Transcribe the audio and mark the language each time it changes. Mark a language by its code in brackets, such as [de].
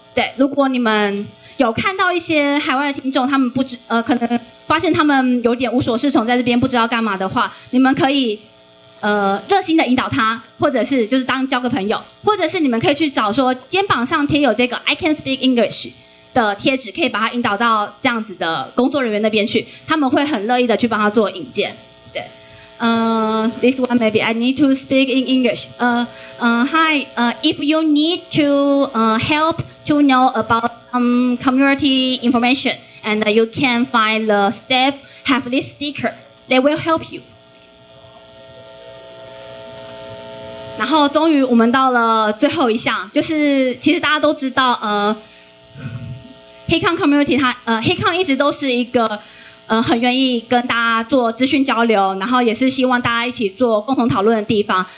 [zh] 对，如果你们有看到一些海外的听众，他们不知可能发现他们有点无所适从，在这边不知道干嘛的话，你们可以热心的引导他，或者是就是当交个朋友，或者是你们可以去找说肩膀上贴有这个 [en] I can speak English [zh] 的贴纸，可以把他引导到这样子的工作人员那边去，他们会很乐意的去帮他做引荐。 [en] 对，this one maybe I need to speak in English. Hi. If you need to help. To know about community information, and you can find the staff have this sticker. They will help you. [zh] 然后终于我们到了最后一项，就是其实大家都知道，HeCon community 它HeCon 一直都是一个很愿意跟大家做资讯交流，然后也是希望大家一起做共同讨论的地方。